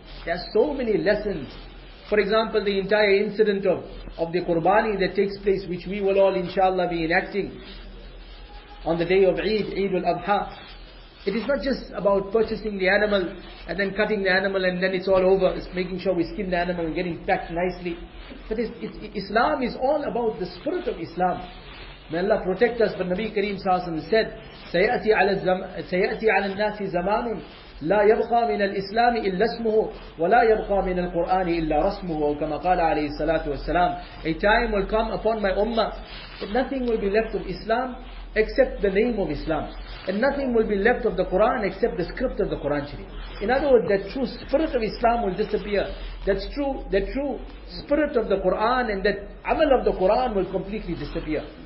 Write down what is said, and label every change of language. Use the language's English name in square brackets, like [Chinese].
[English] There are so many lessons. For example, the entire incident of the Qurbani that takes place, which we will all inshallah be enacting on the day of Eid, Eid al-Adha. It is not just about purchasing the animal and then cutting the animal and then it's all over. It's making sure we skin the animal and getting packed nicely. But Islam is all about the spirit of Islam. May Allah protect us. But Nabi Kareem sallallahu alaihi wasallam said, [Arabic] سَيَأْتِي عَلَى النَّاسِ زَمَانٌ لَا يَبْقَى مِنَ الْإِسْلَامِ إِلَّا اسْمُهُ وَلَا يَبْقَى مِنَ الْقُرْآنِ إِلَّا رَسْمُهُ كما قال عليه الصلاة والسلام. [English] A time will come upon my ummah that nothing will be left of Islam except the name of Islam, and nothing will be left of the Quran except the script of the Quran Sharif. In other words, that true spirit of Islam will disappear. That's true, that true spirit of the Quran and that amal of the Quran will completely disappear.